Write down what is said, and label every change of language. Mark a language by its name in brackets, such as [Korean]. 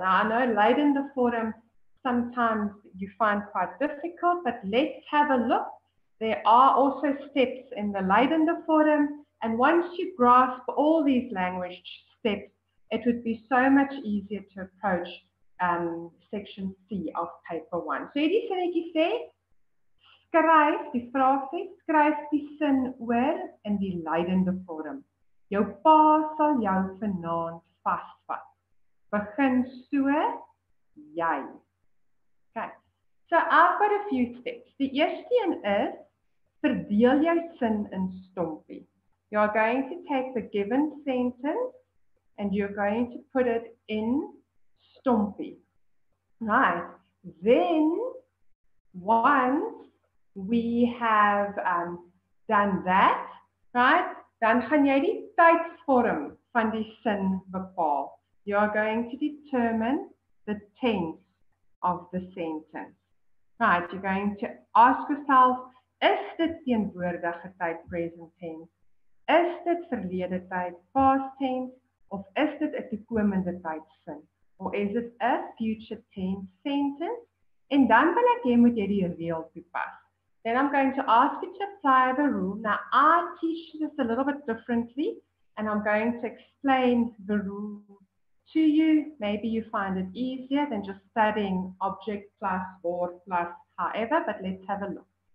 [English] Now, I know Lydende vorm sometimes you find quite difficult, but let's have a look. There are also steps in the Lydende vorm, and once you grasp all these language steps, it would be so much easier to approach section C of paper 1. [Afrikaans] So, hierdie sinnetjie sê, skryf, die vraag sê, skryf die sin oor in die Lydende vorm. Jou pa sal jou vanaand vasvat. begin so jy. Kyk. [English] So I've got a few steps. [Afrikaans] Die eerste een is verdeel jou sin in stompie. [English] You're going to take the given sentence and you're going to put it in stompie. Right. Then once we have done that, right? [Afrikaans] Dan gaan jy die tydsvorm van die sin bepaal. [English] You are going to determine the tense of the sentence. Right, you're going to ask yourself, [Afrikaans] is dit teenwoordige tyd [English] present tense? [Afrikaans] Is dit verlede tyd [English] past tense? [Afrikaans] Of is dit 'n toekomende tyd sin? [English] Or is it a future tense sentence? [Afrikaans] En dan wil ek hê moet jy die reël toepas. [English] Then I'm going to ask you to apply the rule. Now, I teach this a little bit differently, and I'm going to explain the rule to you. Maybe you find it easier than just studying object plus word plus however, but let's have a look.